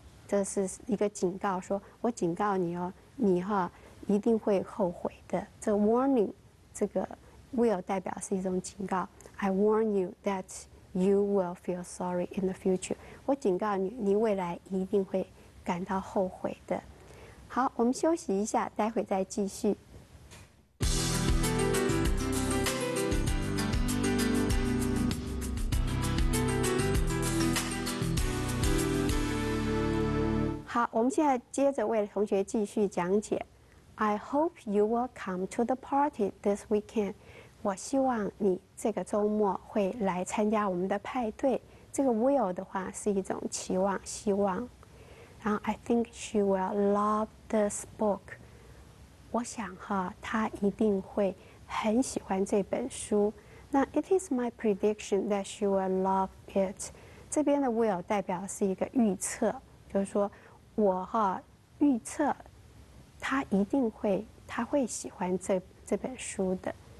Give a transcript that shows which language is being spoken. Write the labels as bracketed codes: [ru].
[zh] 这是一个警告，说我警告你哦，你哈一定会后悔的。这 warning， 这个 will 代表是一种警告。 [en] I warn you that you will feel sorry in the future。 [zh] 我警告你，你未来一定会感到后悔的。好，我们休息一下，待会再继续。好，我们现在接着为同学继续讲解。 [en] I hope you will come to the party this weekend。 [zh] 我希望你这个周末会来参加我们的派对。这个 will 的话是一种期望、希望。 [en] 然后 I think she will love this book。 [zh] 我想哈，她一定会很喜欢这本书。 [en] 那 It is my prediction that she will love it。 [zh] 这边的 will 代表是一个预测，就是说。我哈预测他一定会他会喜欢这本书的。